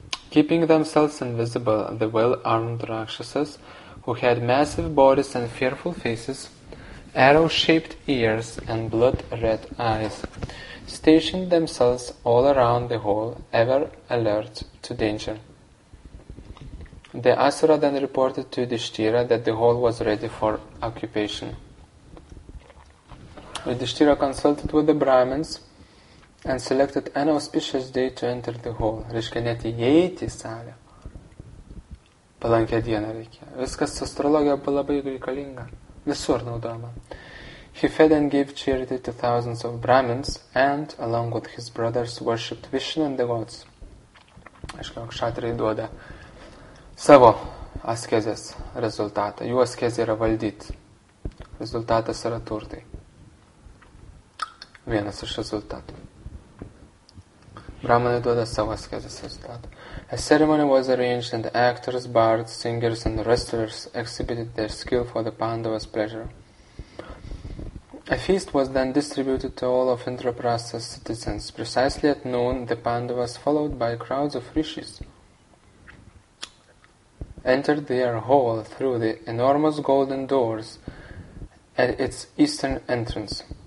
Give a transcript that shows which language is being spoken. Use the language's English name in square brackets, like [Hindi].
[English] Keeping themselves invisible, the well-armed rakshasas, who had massive bodies and fearful faces, arrow-shaped ears and blood-red eyes, stationed themselves all around the hall, ever alert to danger. The Asura then reported to Yudhishthira that the hall was ready for occupation. Yudhishthira consulted with the Brahmins and selected an auspicious day to enter the hall. [Lithuanian] Reiškia net įeiti į salę. Palankę dieną reikia. Viskas astrologija buvo labai reikalinga. Visur naudojama. [English] He fed and gave charity to thousands of Brahmins and, along with his brothers, worshipped Vishnu and the gods. [Lithuanian] Aišku, kšatriai duoda savo askezės rezultatą. Jų askezė yra valdyti. Rezultatas yra turtai. Vienas iš rezultatų. Brahmanai duoda savo askezės rezultatą. [English] A ceremony was arranged and actors, bards, singers and wrestlers exhibited their skill for the Pandavas' pleasure. A feast was then distributed to all of Indraprastha's citizens. Precisely at noon, the Pandavas, followed by crowds of rishis, entered their hall through the enormous golden doors at its eastern entrance.